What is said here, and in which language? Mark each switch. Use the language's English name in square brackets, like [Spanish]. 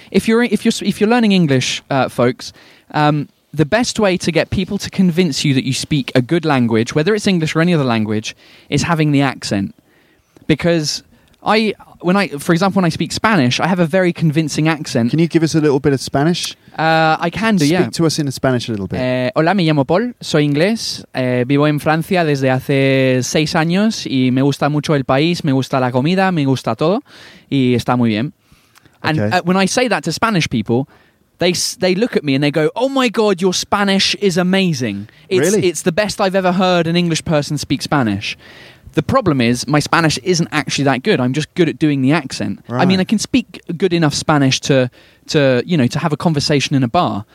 [English] If you're learning English, folks, the best way to get people to convince you that you speak a good language, whether it's English or any other language, is having the accent. Because When I speak Spanish, I have a very convincing accent. Can you give us a little bit of Spanish? I can do, yeah. Speak to us in Spanish a little bit. [Spanish] Hola, me llamo Paul, soy inglés, vivo en Francia desde hace 6 años y me gusta mucho el país, me gusta la comida, me gusta todo, y está muy bien. [English] And when I say that to Spanish people, they look at me and they go, oh my God, your Spanish is amazing. It's the best I've ever heard an English person speak Spanish. The problem is, my Spanish isn't actually that good. I'm just good at doing the accent. Right. I mean, I can speak good enough Spanish to have a conversation in a bar.